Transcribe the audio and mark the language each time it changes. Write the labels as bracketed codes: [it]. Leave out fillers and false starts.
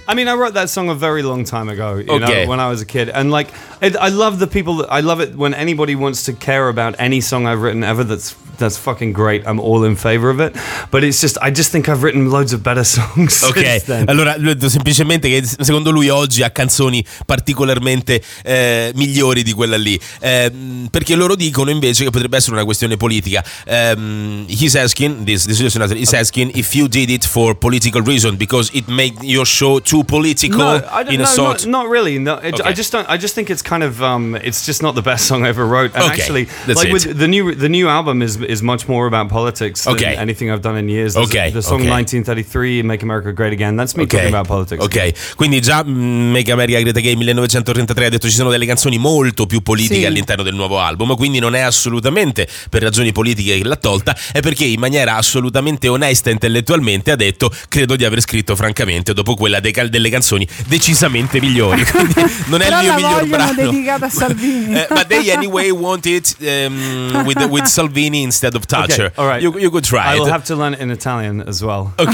[en] I mean, I wrote that song a very long time ago, you know, when I was a kid, and like, I love the people, I love it when anybody wants to care about any song I've written ever, that's fucking great, I'm all in favor of it, but it's just, I just think I've written loads of better songs [it] Allora, semplicemente che secondo lui oggi ha canzoni particolarmente migliori di quella lì, perché loro dicono invece che potrebbe essere una questione politica. [en] He's asking if you did it for political reason, because it made your show too political. No, not really. I just think it's kind of it's just not the best song I ever wrote, and the new album is much more about politics than anything I've done in years. The song 1933, Make America Great Again, that's me talking about politics. [it] Quindi già Make America Great Again 1933 ha detto ci sono delle canzoni molto più politiche all'interno del nuovo album, quindi non è assolutamente per ragioni politiche che l'ha tolta, è perché in maniera assolutamente onesta intellettualmente ha detto credo di aver scritto francamente dopo quella delle canzoni decisamente migliori. Quindi non è il mio miglior brano dedicata a Salvini. [en] But they anyway want it with Salvini instead of Thatcher. You could try it. I will have to learn it in Italian as well.